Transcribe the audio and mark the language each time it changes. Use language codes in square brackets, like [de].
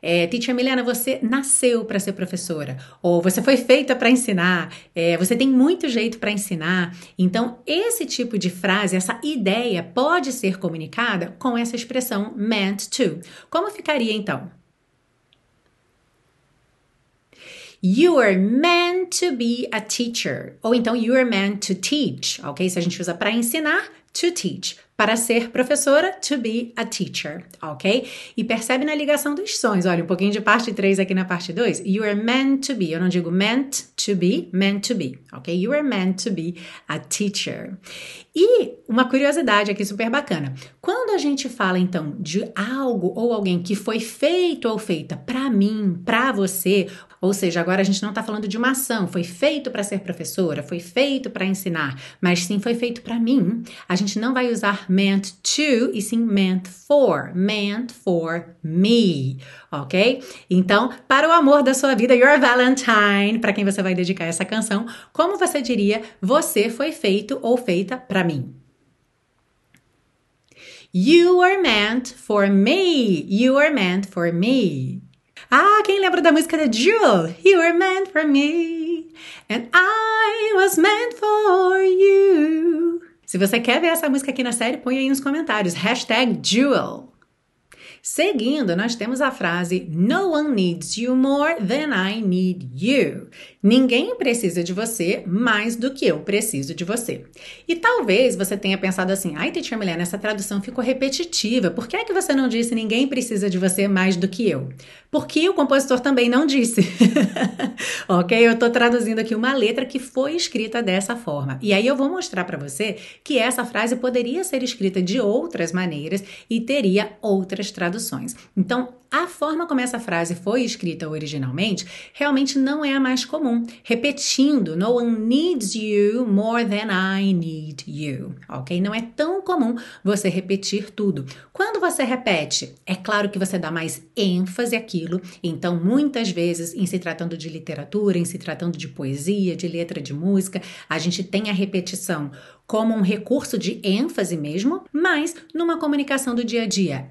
[pt] Teacher Milena, você nasceu para ser professora, ou você foi feita para ensinar, você tem muito jeito para ensinar. Então, esse tipo de frase, essa ideia pode ser comunicada com essa expressão meant to. Como ficaria então? [en] You are meant to be a teacher. [pt] Ou então, [en] you are meant to teach. [pt] Ok? Se a gente usa para ensinar, [en] to teach. [pt] Para ser professora, [en] to be a teacher. [pt] Ok? E percebe na ligação dos sons. Olha, um pouquinho de parte 3 aqui na parte 2. [en] You are meant to be. [pt] Eu não digo [en] meant to be, meant to be. [pt] Ok? [en] You are meant to be a teacher. [pt] E uma curiosidade aqui super bacana. Quando a gente fala, então, de algo ou alguém que foi feito ou feita para mim, para você... Ou seja, agora a gente não está falando de uma ação, foi feito para ser professora, foi feito para ensinar, mas sim foi feito para mim. A gente gente não vai usar meant to e sim [en] meant for me, [pt] ok? Então, para o amor da sua vida, [en] your Valentine, [pt] para quem você vai dedicar essa canção, como você diria, você foi feito ou feita para mim? [en] You are meant for me, you are meant for me. [pt] Ah, quem lembra da música da Jewel? [en] You were meant for me, and I was meant for you. [pt] Se você quer ver essa música aqui na série, põe aí nos comentários. Hashtag Jewel. Seguindo, nós temos a frase [en] No one needs you more than I need you. [pt] Ninguém precisa de você mais do que eu preciso de você. E talvez você tenha pensado assim, ai, teacher Milena, essa tradução ficou repetitiva. Por que é que você não disse ninguém precisa de você mais do que eu? Porque o compositor também não disse. Ok? Eu estou traduzindo aqui uma letra que foi escrita dessa forma. E aí eu vou mostrar para você que essa frase poderia ser escrita de outras maneiras e teria outras traduções. Então, a forma como essa frase foi escrita originalmente realmente não é a mais comum. [en] Repetindo, no one needs you more than I need you. [pt] Ok? Não é tão comum você repetir tudo. Quando você repete, é claro que você dá mais ênfase àquilo. Então, muitas vezes, em se tratando de literatura, em se tratando de poesia, de letra, de música, a gente tem a repetição como um recurso de ênfase mesmo, mas numa comunicação do dia a dia.